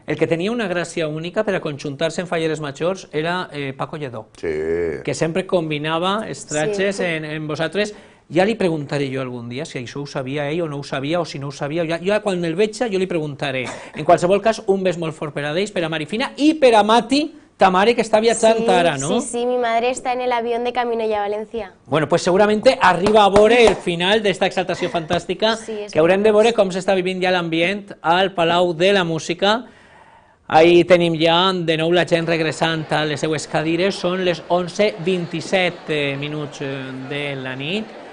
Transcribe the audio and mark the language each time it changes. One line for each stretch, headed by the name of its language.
Catalan: El que tenia una gràcia única per a conjuntar-se en falleres majors era Paco Lledó, sí, que sempre combinava estratges, sí, en vosaltres. Ja li preguntaré jo algun dia si això ho sabia ell o no ho sabia, o si no ho sabia. Jo quan el veig jo li preguntaré. En qualsevol cas, un bes molt fort per a ells, per a Marifina i per a Mati, ta mare, que està viatjant, sí, ara, no?
Spanish: Sí, sí, mi madre está en el avión de camino ya a València.
Catalan: Bueno, pues seguramente arriba a vore el final d'esta exaltació fantàstica, sí, que haurem de vore com s'està vivint ja l'ambient al Palau de la Música. Ahí tenim ja de nou la gent regressant a les seues cadires. Són les 11:27 minuts de la nit.